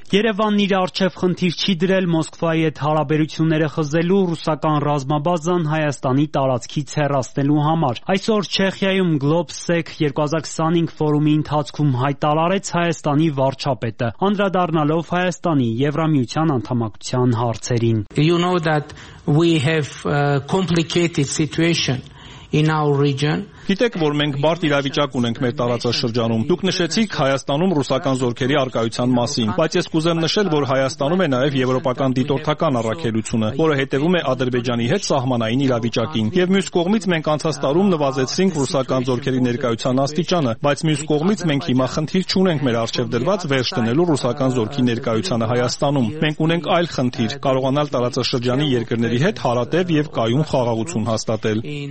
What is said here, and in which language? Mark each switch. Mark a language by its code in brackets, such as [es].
[hy] Երևանն իր առջև խնդիր չի դրել Մոսկվայի հետ հարաբերությունները խզելու ռուսական ռազմաբազան Հայաստանի տարածքից հեռացնելու համար։ Այսօր Չեխիայում Globsec 2025 ֆորումի ընթացքում հայտարարեց Հայաստանի վարչապետը, անդրադառնալով Հայաստանի Եվրամիության անդամակցության հարցերին. [en] You know that we have complicated situation in our region. [hy] Գիտեք, որ մենք բարդ իրավիճակ ունենք մեր տարածաշրջանում։ Դուք նշեցիք Հայաստանում ռուսական զորքերի առկայության մասին, բայց ես կուզեմ նշել, որ Հայաստանում է նաև եվրոպական դիտորդական առաքելությունը, որը հետևում է Ադրբեջանի հետ սահմանային իրավիճակին։ Եվ մյուս կողմից մենք անցած տարում նվազեցրինք ռուսական զորքերի ներկայության աստիճանը, բայց մյուս կողմից մենք հիմա խնդիր չունենք մեր առջև դրված վերջ դնելու ռուսական զորքի ներկայությանը Հայաստանում։ Մենք ունենք այլ խնդիր՝ կարողանալ տարածաշրջանի երկրների հետ հարատև և կայուն խաղաղություն հաստատել։